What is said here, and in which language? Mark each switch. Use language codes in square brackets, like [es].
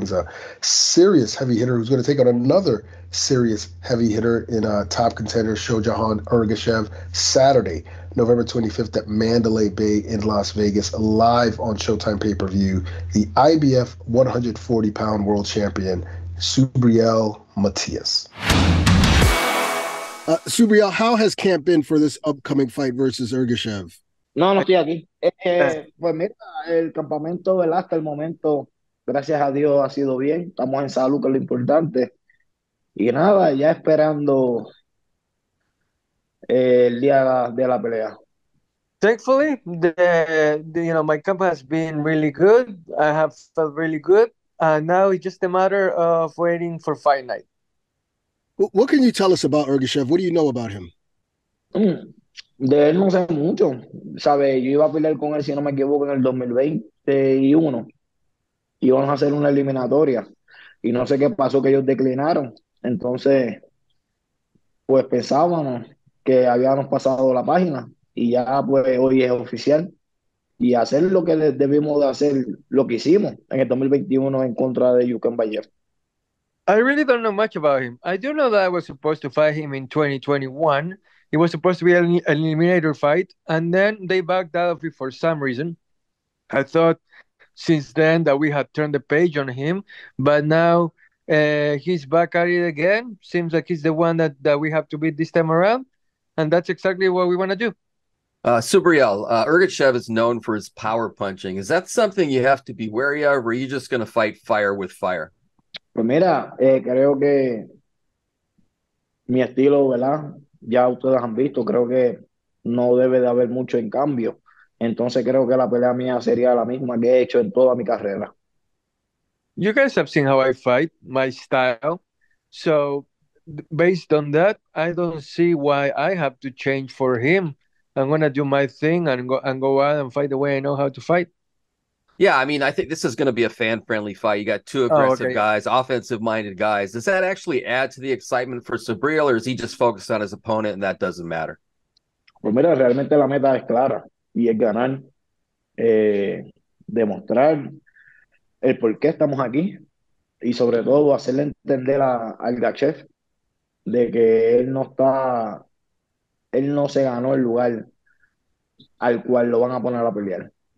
[en] He's a serious heavy hitter who's going to take on another serious heavy hitter in a top contender, Shohjahon Ergashev, Saturday, November 25th at Mandalay Bay in Las Vegas, live on Showtime Pay-Per-View. The IBF 140-pound world champion, Subriel Matias. Subriel, how has camp been for this upcoming fight versus Ergashev? [es] No, estoy aquí. Pues mira, el campamento, ¿verdad? Hasta el momento, gracias a Dios, ha sido bien. Estamos en salud, que es lo importante. Y nada, ya esperando el día de la pelea. [en] Thankfully, my camp has been really good. I have felt really good. Now it's just a matter of waiting for fight night. What can you tell us about Ergashev? What do you know about him? [es] De él no sé mucho, ¿sabes? Yo iba a pelear con él, si no me equivoco, en el 2021. Íbamos a hacer una eliminatoria. Y no sé qué pasó, que ellos declinaron. Entonces, pues pensábamos que habíamos pasado la página. Y ya, pues, hoy es oficial. Y hacer lo que debimos de hacer, lo que hicimos en el 2021 en contra de Yukan Bayer. [en] I really don't know much about him. I do know that I was supposed to fight him in 2021. It was supposed to be an eliminator fight, and then they backed out of it for some reason. I thought since then that we had turned the page on him, but now he's back at it again. Seems like he's the one that we have to beat this time around, and that's exactly what we want to do. Subriel, Ergashev is known for his power punching. Is that something you have to be wary of, or are you just going to fight fire with fire? [es] Pues mira, creo que mi estilo, ¿verdad? Ya ustedes han visto, creo que no debe de haber mucho en cambio. Entonces creo que la pelea mía sería la misma que he hecho en toda mi carrera. [en] You guys have seen how I fight, my style. So based on that, I don't see why I have to change for him. I'm going to do my thing and go out and fight the way I know how to fight. Yeah, I mean, I think this is going to be a fan-friendly fight. You got two aggressive guys, offensive-minded guys. Does that actually add to the excitement for Subriel, or is he just focused on his opponent and that doesn't matter? [es] Pues mira, realmente la meta es clara, y es ganar, demostrar el por qué estamos aquí, y sobre todo hacerle entender al Gachev de que él no se ganó el lugar al cual lo van a poner a pelear.